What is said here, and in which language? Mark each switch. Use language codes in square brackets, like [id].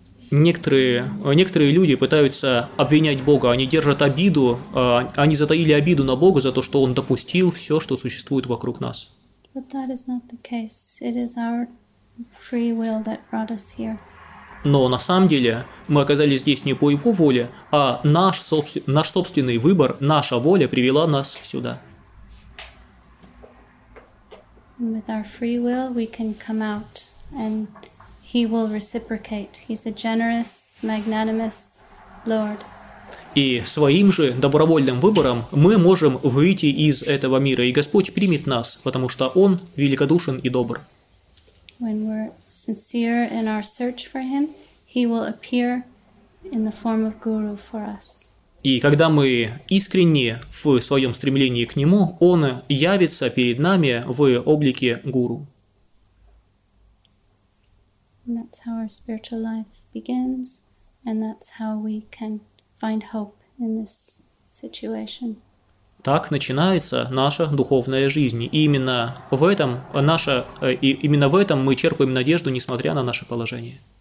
[ru] Некоторые люди пытаются обвинять Бога, они держат обиду, они затаили обиду на Бога за то, что он допустил все, что существует вокруг нас. [en] But that is not the case. It is our free will that brought us here. [ru] Но на самом деле мы оказались здесь не по его воле, а наш собственный выбор, наша воля привела нас сюда. [en] With our free will, we can come out and He will reciprocate. He's a generous, magnanimous Lord. [ru] И своим же добровольным выбором мы можем выйти из этого мира, и Господь примет нас, потому что Он великодушен и добр. [en] When we're sincere in our search for Him, He will appear in the form of Guru for us. [ru] И когда мы искренне в своем стремлении к Нему, Он явится перед нами в облике Гуру. [en] And that's how our spiritual life begins, and that's how we can find hope in this situation. [ru] Так начинается наша духовная жизнь. И именно в этом мы черпаем надежду, несмотря на наше положение.